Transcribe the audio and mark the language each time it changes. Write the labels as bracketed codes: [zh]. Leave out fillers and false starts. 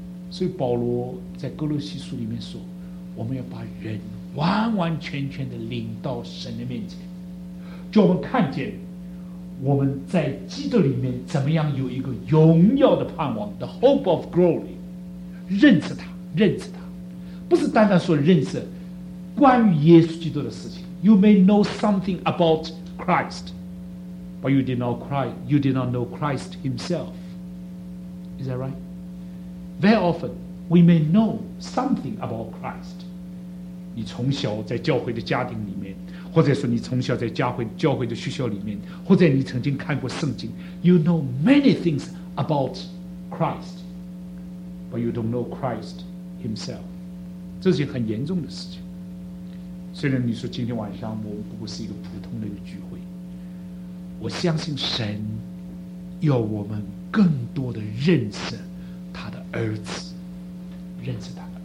[zh] 所以保罗在哥罗西书里面说，我们要把人完完全全的领到神的面前，就我们看见我们在基督里面怎么样有一个荣耀的盼望， [en] The hope of glory， [zh] 认识他，认识他，不是单单说认识关于耶稣基督的事情。 [en] You may know something about Christ, but you did not Christ, you did not know Christ himself. Is that right? Very often we may know something about Christ. [zh] 你从小在教会的家庭里面，或者说你从小在教会的学校里面，或者你曾经看过圣经， [en] You know many things about Christ, but you don't know Christ himself. [zh] 这是很严重的事情。虽然你说今天晚上我们不过是一个普通的聚会，我相信神要我们更多的认识他的儿子，认识他。